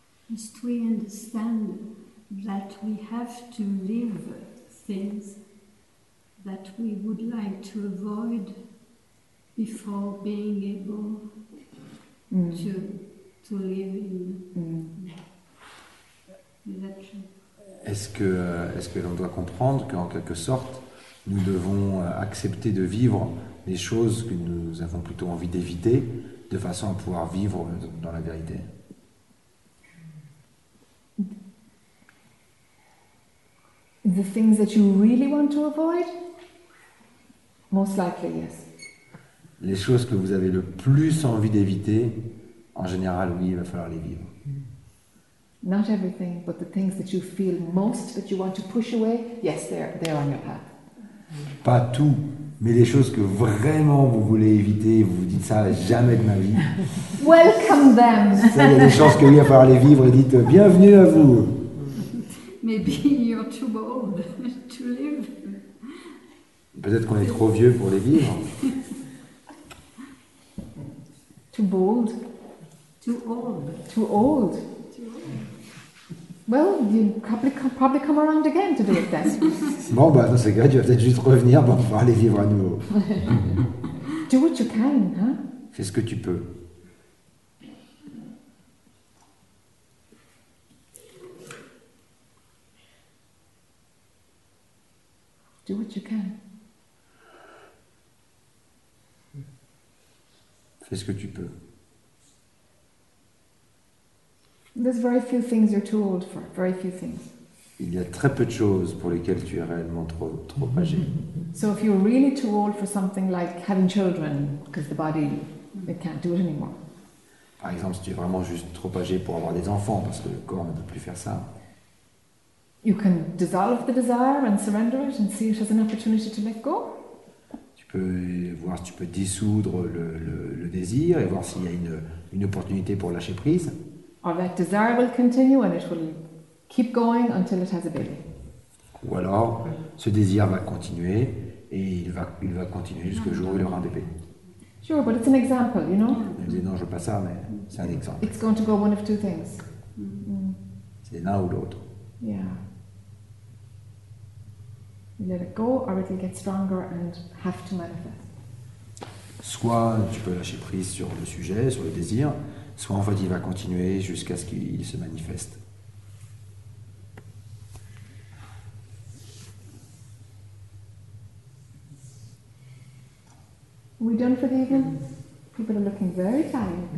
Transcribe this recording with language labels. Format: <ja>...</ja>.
<en>just we understand that we have to live things that we would like to avoid before being able to live in that.</en> <fr>Est-ce que l'on doit comprendre qu'en quelque sorte nous devons accepter de vivre des choses que nous avons plutôt envie d'éviter de façon à pouvoir vivre dans la vérité?</fr> <en>The things that you really want to avoid? Most likely, yes.</en> <fr>Les choses que vous avez le plus envie d'éviter, en général, oui, il va falloir les vivre.</fr> <en>Not everything, but the things that you feel most that you want to push away, yes, they're on your path.</en> <fr>Pas tout, mais les choses que vraiment vous voulez éviter, vous vous dites ça jamais de ma vie.</fr> <en>Welcome them.</en> <fr>Ça, il y a des chances que oui, il va falloir les vivre et dites bienvenue à vous.</fr> <en>Maybe you're too old to live.</en> <fr>Peut-être qu'on est trop vieux pour les vivre.</fr> <en>Too bold. Too old. Well, you probably come around again to do it then.</en> <fr>Bon, bah, dans ce cas, tu vas peut-être juste revenir pour pouvoir aller vivre à nouveau.</fr> <en>Do what you can, hein?</en> <fr>Fais ce que tu peux.</fr> <en>Do what you can.</en> <fr>Fais ce que tu peux.</fr> <en>There's very few things you're too old for. Very few things.</en> <fr>Il y a très peu de choses pour lesquelles tu es réellement trop âgé.</fr> <en>So if you're really too old for something like having children, because the body it can't do it anymore.</en> <fr>Par exemple, si tu es vraiment juste trop âgé pour avoir des enfants, parce que le corps ne peut plus faire ça.</fr> <en>You can dissolve the desire and surrender it and see it as an opportunity to let go.</en> <fr>Tu peux voir, tu peux dissoudre le désir et voir s'il y a une opportunité pour lâcher prise.</fr> <en>Or that desire will continue and it will keep going until it has a baby.</en> <fr>Ou alors, ce désir va continuer et il va continuer jusqu'au jour où il aura un bébé.</fr> <en>Sure, but it's an example, you know.</en> <fr>Je dis, non, je veux pas ça, mais c'est un exemple.</fr> <en>It's going to go one of two things.</en> <fr>C'est l'un ou l'autre.</fr> <en>Yeah. You let it go, or it will get stronger and have to manifest.</en> <fr>Soit tu peux lâcher prise sur le sujet, sur le désir. Soit en fait il va continuer jusqu'à ce qu'il se manifeste.</fr> <en>We done for the evening? People are looking very tired.</en>